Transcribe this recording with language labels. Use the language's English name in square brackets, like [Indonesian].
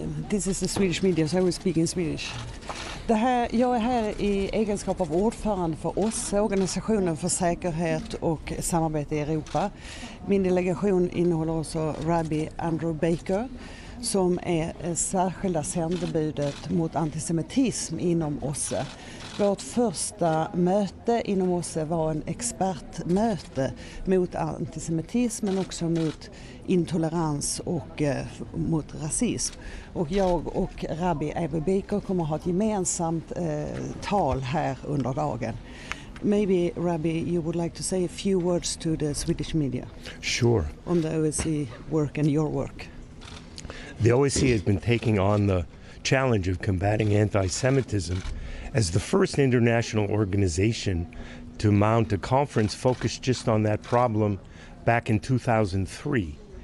[English] This is the Swedish media, so I will speak in Swedish. [Swedish] Det här, jag är här i egenskap av ordförande för OSSE, Organisationen för säkerhet och samarbete i Europa. Min delegation innehåller också Rabbi Andrew Baker, som är särskilda sändebudet mot antisemitism inom OSSE. Vårt första möte inom OSSE var en expertmöte mot antisemitism men också mot intolerans och mot rasism. Och jag och Rabbi Avi Baker kommer ha ett gemensamt tal här under dagen. [English] Maybe, Rabbi, you would like to say a few words to the Swedish media. Sure. On the OSCE work and your work. The OSCE has been taking on the challenge of combating anti-Semitism as the first international organization to mount a conference focused just on that problem back in 2003.